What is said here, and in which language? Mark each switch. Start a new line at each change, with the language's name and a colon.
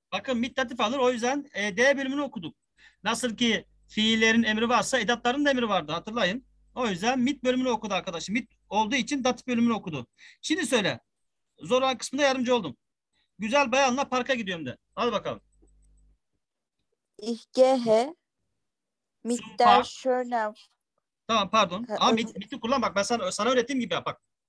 Turkish: Bakın mit datif alır. O yüzden D bölümünü okuduk. Nasıl ki fiillerin emri varsa edatların da emri vardı. Hatırlayın. O yüzden mit bölümünü okudu arkadaşım. Mit olduğu için datif bölümünü okudu. Şimdi söyle. Zor olan kısmında yardımcı oldum. Güzel bayanla parka gidiyorum de. Al bakalım.
German: Ich gehe mit der schönen.
Turkish: Tamam pardon. Ha, mit, mit'i kullan bak. Ben sana öğrettiğim gibi yap bak.